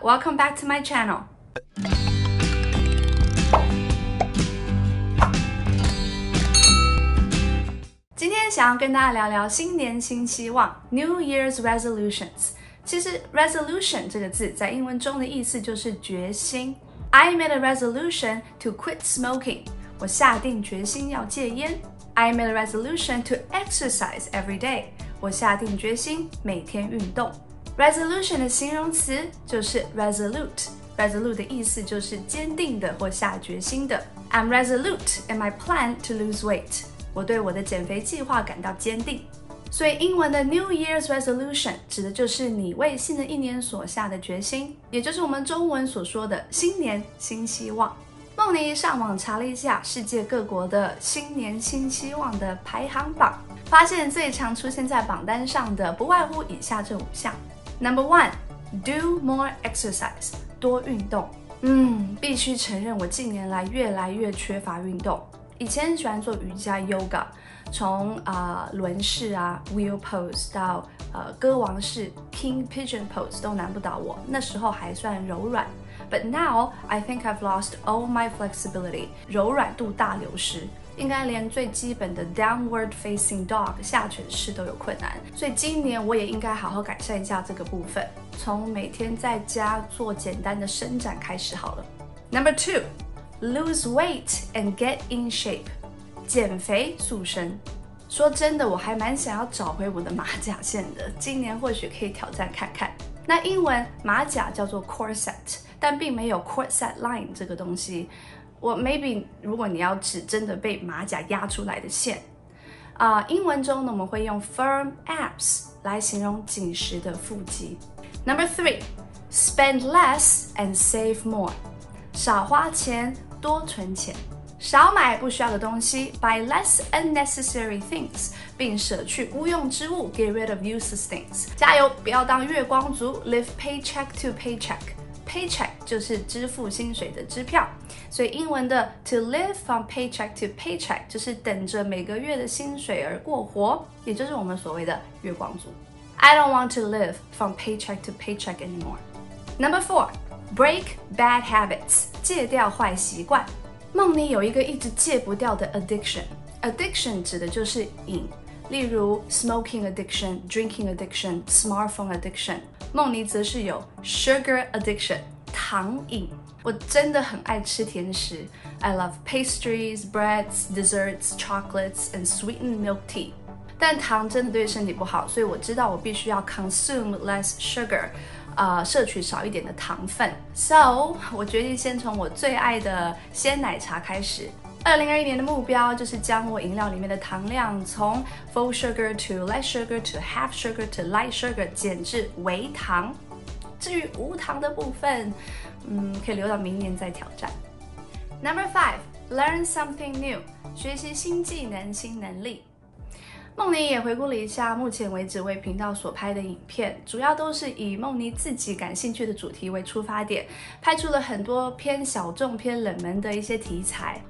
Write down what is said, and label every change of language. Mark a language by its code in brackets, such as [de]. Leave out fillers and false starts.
[en] Welcome back to my channel. Today, I want to talk to you about New Year's resolutions. New Year's resolutions. [zh] 其实 resolution 这个字在英文中的意思就是决心。 [en] I made a resolution to quit smoking. [zh] 我下定决心要戒烟。 [en] I made a resolution to exercise every day. [zh] 我下定决心每天运动。 Resolution 的形容词就是 resolute. Resolute 的意思就是坚定的或下决心的。 [en] I'm resolute in my plan to lose weight. [zh] 我对我的减肥计划感到坚定。所以英文的 New Year's Resolution 指的就是你为新的一年所下的决心，也就是我们中文所说的新年新希望。梦妮上网查了一下世界各国的新年新希望的排行榜，发现最常出现在榜单上的不外乎以下这五项。 [en] Number one, do more exercise, [zh] 多运动。必须承认我近年来越来越缺乏运动。以前喜欢做瑜伽 yoga， 从轮式啊 wheel pose 到歌王式 king pigeon pose 都难不倒我，那时候还算柔软。 [en] But now I think I've lost all my flexibility， [zh] 柔软度大流失，应该连最基本的 [en] downward facing dog [zh] 下犬式都有困难。所以今年我也应该好好改善一下这个部分，从每天在家做简单的伸展开始好了。 [en] Number two。 Lose weight and get in shape， [zh] 减肥塑身。说真的，我还蛮想要找回我的马甲线的，今年或许可以挑战看看。那英文马甲叫做 corset， 但并没有 corset line 这个东西。我 maybe 如果你要指真的被马甲压出来的线，英文中呢我们会用 firm abs 来形容紧实的腹肌。 [en] Number three， spend less and save more。 [zh] 少花钱，多存钱。少买不需要的东西 ， [en] buy less unnecessary things， [zh] 并舍去无用之物 ， [en] get rid of useless things。 [zh] 加油，不要当月光族 ， [en] live paycheck to paycheck。 [zh] paycheck 就是支付薪水的支票，所以英文的 [en] to live from paycheck to paycheck [zh] 就是等着每个月的薪水而过活，也就是我们所谓的月光族。 [en] I don't want to live from paycheck to paycheck anymore. Number four. Break bad habits， [zh] 戒掉坏习惯。梦妮有一个一直戒不掉的 addiction， addiction 指的就是瘾，例如 smoking addiction， drinking addiction， smartphone addiction。梦妮则是有 sugar addiction， 糖瘾。我真的很爱吃甜食， [en] I love pastries, breads, desserts, chocolates and sweetened milk tea。 [zh] 但糖真的对身体不好，所以我知道我必须要 [en] consume less sugar， [zh] 摄取少一点的糖分。 So 我决定先从我最爱的鲜奶茶开始。 2021年的目标就是将我饮料里面的糖量从 [en] full sugar to less sugar to half sugar to light sugar [zh] 减至微糖。至于无糖的部分，可以留到明年再挑战。 [en] Number 5， Learn something new， [zh] 学习新技能新能力。梦妮也回顾了一下目前为止为频道所拍的影片，主要都是以梦妮自己感兴趣的主题为出发点，拍出了很多偏小众偏冷门的一些题材。